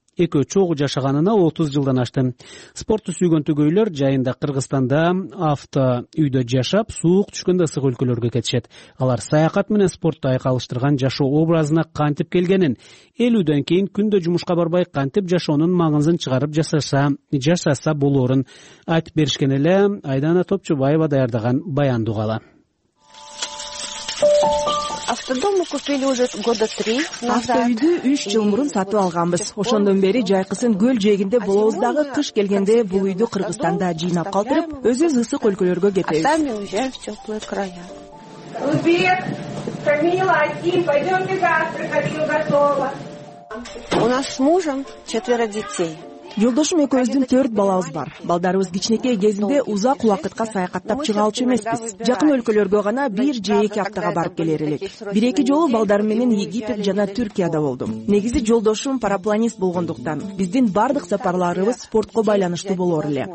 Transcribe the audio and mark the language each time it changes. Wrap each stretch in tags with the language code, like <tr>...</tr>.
<ky>Экөө чогуу жашаганына 30 жылдан ашты. Спортту сүйгөн түгөйлөр жайында Кыргызстанда авто үйдө жашап, суук түшкөндө ысык өлкөлөргө кетишет. Алар саякат менен спортту айкалыштырган жашоо образына кантип келгенин, элүүдөн кийин күндө жумушка барбай кантип жашоонун маңызын чыгарып жашаса болорун айтып беришкен эле. Айдана Топчубаева даярдаган баянды угалы. Автоүйдү 3 жыл мурун сатып алганбыз. Ошондон бери жайкысын көл жээгинде болобуз дагы, кыш келгенде бул үйдү Кыргызстанда жыйнап калтырып, өзүбүз ысык өлкөлөргө кетебиз.</ky> <ru>Камила, Аким, пойдемте завтрак, Аким готова. У нас с мужем четверо детей.</ru> <ky>Жолдошум экөөбүздүн төрт балабыз бар. Балдарыбыз кичинекей кезинде узак убакытка саякаттап чыга алчу эмеспиз. Жакын өлкөлөргө гана бир же эки аптага барып келер элек. Бир эки жолу балдарым менен Египет жана Түркияда болдум. Негизи жолдошум парапланист болгондуктан биздин бардык сапарларыбыз спортко байланыштуу болор эле.</ky>